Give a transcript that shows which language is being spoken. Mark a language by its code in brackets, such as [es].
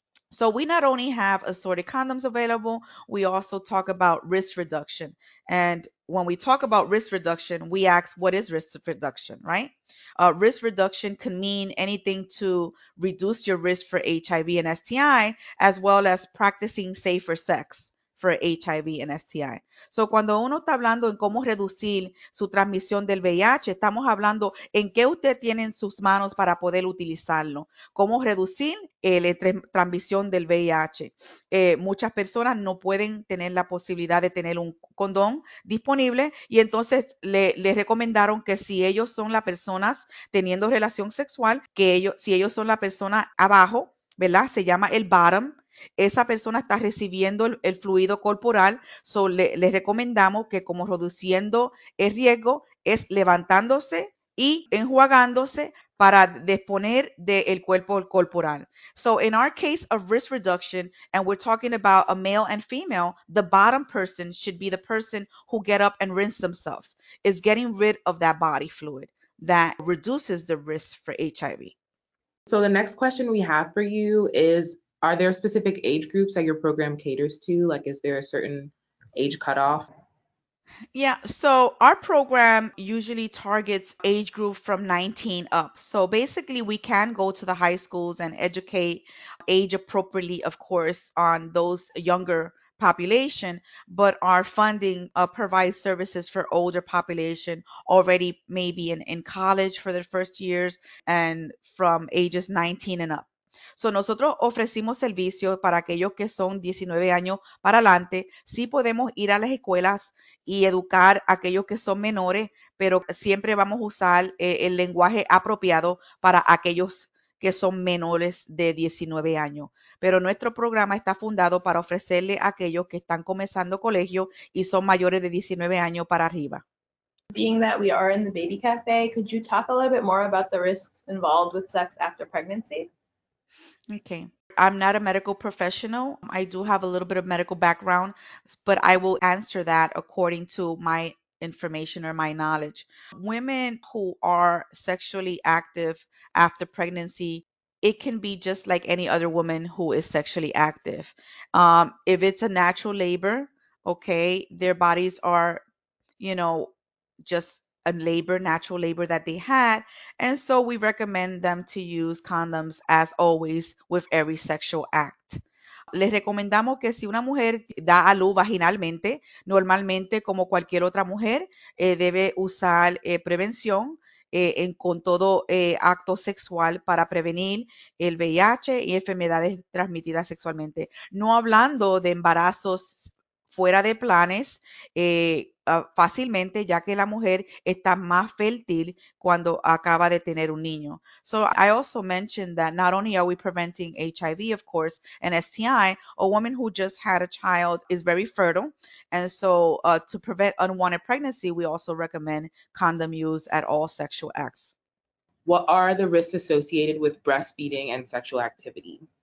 [en] So we not only have assorted condoms available, we also talk about risk reduction. And when we talk about risk reduction, we ask, what is risk reduction, right? Risk reduction can mean anything to reduce your risk for HIV and STI, as well as practicing safer sex for HIV and STI. [es] So cuando uno está hablando en cómo reducir su transmisión del VIH, estamos hablando en qué usted tiene en sus manos para poder utilizarlo. Cómo reducir la transmisión del VIH. Muchas personas no pueden tener la posibilidad de tener un condón disponible y entonces le recomendaron que si ellos son las personas teniendo relación sexual, que ellos, si ellos son la persona abajo, ¿verdad? Se llama el bottom. Esa persona está recibiendo el fluido corporal, so les recomendamos que como reduciendo el riesgo es levantándose y enjuagándose para disponer del cuerpo corporal. [en] So in our case of risk reduction, and we're talking about a male and female, the bottom person should be the person who get up and rinse themselves. It's getting rid of that body fluid that reduces the risk for HIV. So the next question we have for you is, are there specific age groups that your program caters to? Like, is there a certain age cutoff? Yeah, so our program usually targets age group from 19 up. So basically, we can go to the high schools and educate age appropriately, of course, on those younger population, but our funding provides services for older population already maybe in college for their first years and from ages 19 and up. [es] So nosotros ofrecimos servicio para aquellos que son 19 años para adelante. Sí podemos ir a las escuelas y educar a aquellos que son menores, pero siempre vamos a usar el lenguaje apropiado para aquellos que son menores de 19 años. Pero nuestro programa está fundado para ofrecerle a aquellos que están comenzando colegio y son mayores de 19 años para arriba. [en] Being that we are in the baby cafe, could you talk a little bit more about the risks involved with sex after pregnancy? Okay. I'm not a medical professional. I do have a little bit of medical background, but I will answer that according to my information or my knowledge. Women who are sexually active after pregnancy, it can be just like any other woman who is sexually active. If it's a natural labor, okay, their bodies are, just a labor, natural labor that they had. And so we recommend them to use condoms as always with every sexual act. [es] Les recomendamos que si una mujer da a luz vaginalmente, normalmente como cualquier otra mujer, debe usar prevención con todo acto sexual para prevenir el VIH y enfermedades transmitidas sexualmente. No hablando de embarazos fuera de planes fácilmente, ya que la mujer está más fértil cuando acaba de tener un niño. [en] So I also mentioned that not only are we preventing HIV, of course, and STI, a woman who just had a child is very fertile. And so to prevent unwanted pregnancy, we also recommend condom use at all sexual acts. What are the risks associated with breastfeeding and sexual activity?